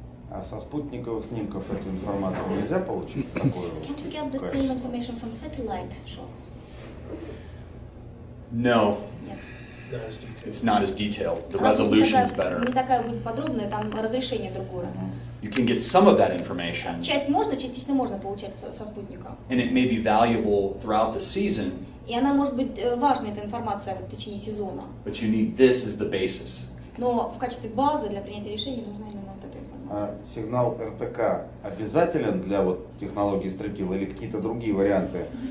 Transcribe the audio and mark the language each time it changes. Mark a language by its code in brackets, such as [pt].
[ru] А со спутниковых снимков эту информацию нельзя получить? [en] Can you get the same information from satellite shots? No. It's not as detailed. The resolution is better. [ru] Не такая будет подробная, там разрешение другое. [en] You can get some of that information. [ru] Часть можно, частично можно получать со спутника. [en] And it may be valuable throughout the season. [ru] И она может быть важной, эта информация, в течение сезона. [en] But you need this as the basis. [ru] Но в качестве базы для принятия решений нужна именно вот эта информация. Сигнал РТК обязателен для вот технологии стрекил или какие-то другие варианты?